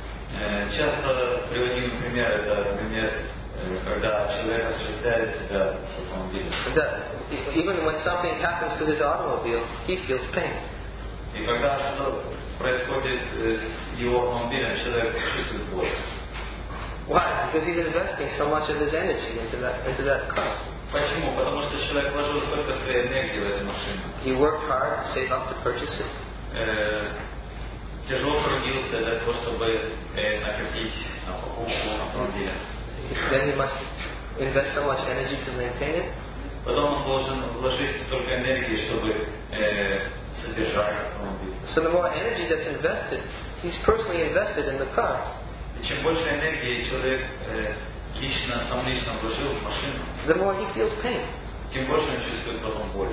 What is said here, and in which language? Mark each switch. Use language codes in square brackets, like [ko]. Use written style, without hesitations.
[ru] Часто приводим пример, это пример, когда человек ощущает себя с автомобилем. [en] That even when something happens to his automobile, he feels pain. [ru] И когда что-то происходит с его автомобилем, человек чувствует боль. [en] Why? Because he's investing so much of his energy into that car. [ru] Почему? Потому что человек вложил столько своей энергии в эту машину. [en] He worked hard to save up to purchase it. [ru] тяжело трудился, для того, чтобы накопить на покупку автомобиля. [en] Then he must invest so much energy to maintain it. [ru] Потом он должен вложить столько энергии, чтобы содержать автомобиль. [en] So the more energy that's invested, he's personally invested in the car. [ru] И чем больше энергии человек лично, сам лично вложил в машину, [en] the more he feels pain. [ru] Тем больше он чувствует потом боль.